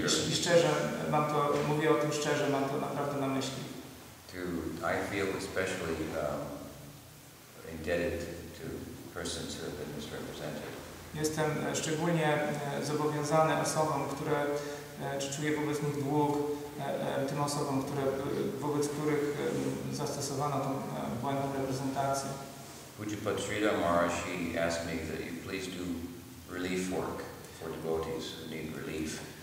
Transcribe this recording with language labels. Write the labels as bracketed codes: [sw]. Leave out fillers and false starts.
[pl] I szczerze mówię o tym szczerze, mam to naprawdę na myśli. [en] I feel especially indebted to persons who have been misrepresented. [pl] Jestem szczególnie zobowiązany osobom, które czuję wobec nich dług, tym osobom, które, wobec których zastosowano tą błędną reprezentację. [en] Pujipatrita Maharshi asked me that you please do relief work for devotees who need relief.